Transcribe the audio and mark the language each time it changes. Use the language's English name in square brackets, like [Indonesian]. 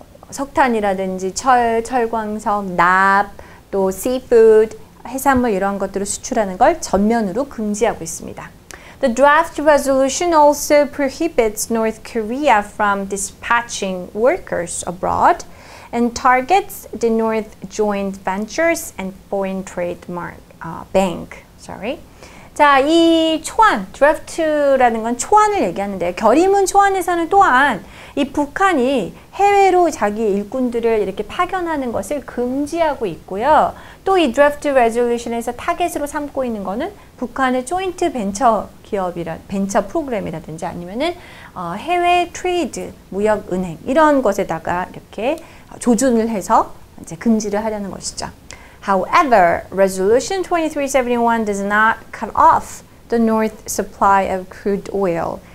[Korean] 석탄이라든지 철, 철광석, 납, 또 seafood, 해산물 이런 것들을 수출하는 걸 전면으로 금지하고 있습니다. [English] The draft resolution also prohibits North Korea from dispatching workers abroad and targets the North Joint Ventures and Foreign Trademark Bank. Sorry. [Korean] 자, 이 초안, draft라는 건 초안을 얘기하는데 결의문 초안에서는 또한 이 북한이 해외로 자기 일꾼들을 이렇게 파견하는 것을 금지하고 있고요. 또 이 draft resolution에서 타겟으로 삼고 있는 것은 북한의 조인트 벤처 기업이라 벤처 프로그램이라든지 아니면은 해외 트레이드 무역 은행 이런 것에다가 이렇게 조준을 해서 이제 금지를 하려는 것이죠. [English] However, resolution 2371 does not cut off the North supply of crude oil.